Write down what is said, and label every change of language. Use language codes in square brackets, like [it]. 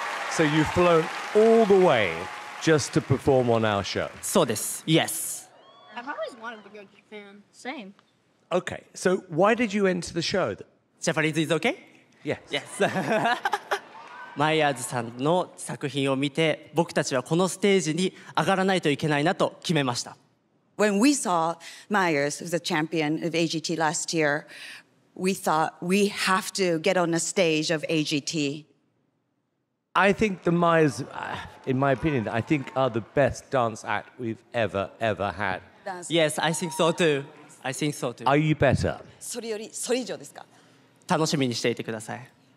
[en] So you've flown all the way just to perform on our show? So this, yes. I've always wanted to go to Japan. Same. Okay, so why did you enter the show? Japanese is okay? Yes. Yes. [ja] マイヤーズさんの作品を見て、僕たちはこのステージに上がらないといけないなと決めました。 [en] When we saw Myers, the champion of AGT last year, we thought we have to get on the stage of AGT. I think the Myers, in my opinion, I think are the best dance act we've ever, ever had. Yes, I think so too. I think so too. Are you better? [ja] それより、それ以上ですか？楽しみにしていてください。